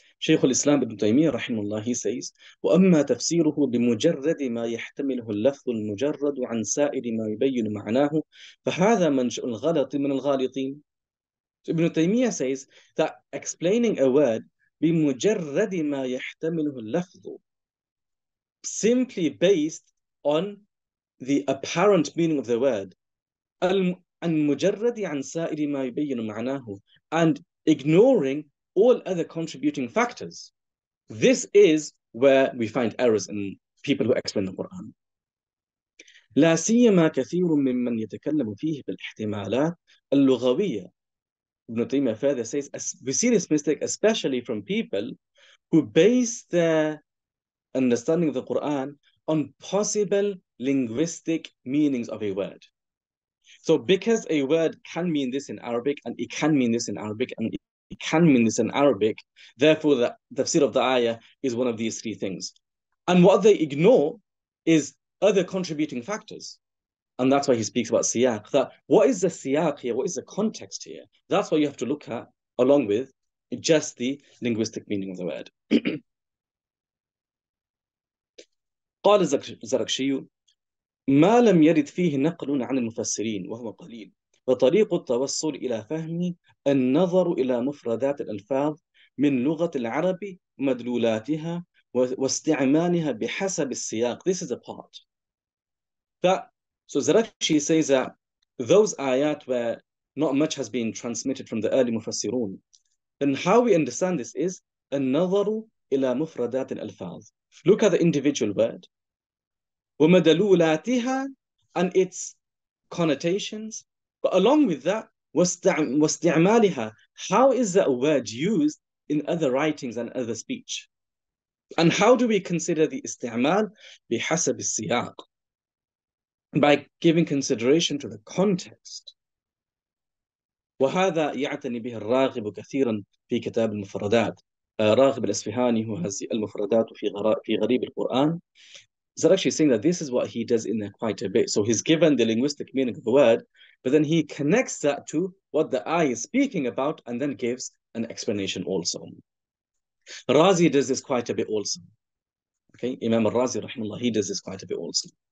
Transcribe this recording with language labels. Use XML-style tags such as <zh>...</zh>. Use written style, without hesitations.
<en>Shaykh al-Islam ibn Taymiyyah rahimahullah, he says,</en> <ar>وَأَمَّا تَفْسِيرُهُ بِمُجَرَّدِ مَا يَحْتَمِلُهُ اللَّفْظُ الْمُجَرَّدُ عَنْ سَائِرِ مَا يُبَيِّنُ مَعْنَاهُ فَهَذَا مَنْشُؤُ الْغَلَطِ مِنَ الْغَالِطِينَ.</ar> <en>So Ibn Taymiyyah says that explaining a word</en> <ar>بِمُجَرَّدِ مَا يَحْتَمِلُهُ اللَّفْظُ,</ar> <en>simply based on the apparent meaning of the word,</en> <ar>المجرد عن سائر ما يبين معناه,</ar> <en>and ignoring all other contributing factors, this is where we find errors in people who explain the Quran.</en> <ar>لا سيما كثير ممن يتكلم فيه بالاحتمالات اللغوية.</ar> <en>Ibn Taymiyyah further says, we see this mistake especially from people who base their understanding of the Quran on possible linguistic meanings of a word. So because a word can mean this in Arabic, and it can mean this in Arabic, and it can mean this in Arabic, therefore the tafsir of the ayah is one of these three things. And what they ignore is other contributing factors. And that's why he speaks about siyaq, that what is the siyaq here? What is the context here? That's what you have to look at, along with just the linguistic meaning of the word.</en> <ar>قال الزركشيو ما لم يرد فيه نقل عن المفسرين وهو قليل وطريق التوصل إلى فهم النظر إلى مفردات الألفاظ من لغة العرب مدلولاتها واستعمالها بحسب السياق.</ar> <en>This is a part. So Zarakshi says that those ayat where not much has been transmitted from the early مفسرون, then how we understand this is</en> <ar>النظر إلى مفردات الألفاظ.</ar> <en>Look at the individual word, ومدلولاتها, and its connotations, but along with that, واستعمالها, how is that word used in other writings and other speech, and how do we consider the</en> <ar>استعمال بحسب السياق,</ar> <en>by giving consideration to the context.</en> <ar>وهذا يعتني به الراغب كثيرا في كتاب المفردات راغب الأصفهاني هو هذه المفردات في غريب القرآن.</ar> <en>Zarakshi is saying that this is what he does in there quite a bit. So he's given the linguistic meaning of the word, but then he connects that to what the ayah is speaking about, and then gives an explanation also. Razi does this quite a bit also. Okay, Imam al-Razi, rahimahullah, he does this quite a bit also.</en>